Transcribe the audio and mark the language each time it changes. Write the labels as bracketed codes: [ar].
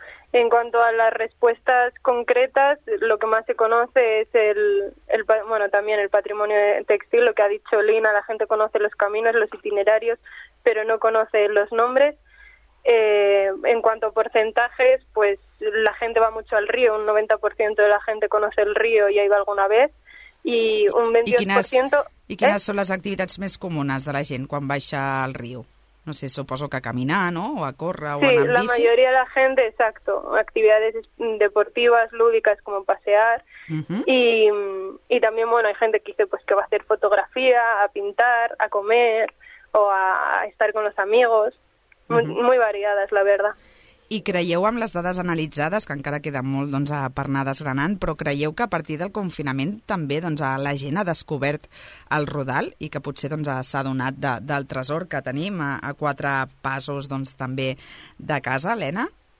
[es] En cuanto a las respuestas concretas, lo que más se conoce es también el patrimonio textil, lo que ha dicho Lina, la gente conoce los caminos, los itinerarios, pero no conoce los nombres. En cuanto a porcentajes, pues la gente va mucho al río, un 90% de la gente conoce el río y ha ido alguna vez, y un 22%... [ca] ¿Y quines són les activitats més comunes de la gent quan baixa al riu? No sé, suposo que a caminar, ¿no?, o a córrer, o sí, a anar en bici. [es] Sí, la mayoría de la gente, exacto, actividades deportivas, lúdicas, como pasear, y también, bueno, hay gente que dice pues, que va a hacer fotografía, a pintar, a comer, o a estar con los amigos, muy variadas, la verdad. [ca] I creieu amb les dades analitzades, que encara queda molt doncs, per anar desgranant, però creieu que a partir del confinament també doncs, la gent ha descobert el rodal i que potser doncs, s'ha adonat del tresor que tenim a quatre passos doncs, també de casa, Elena?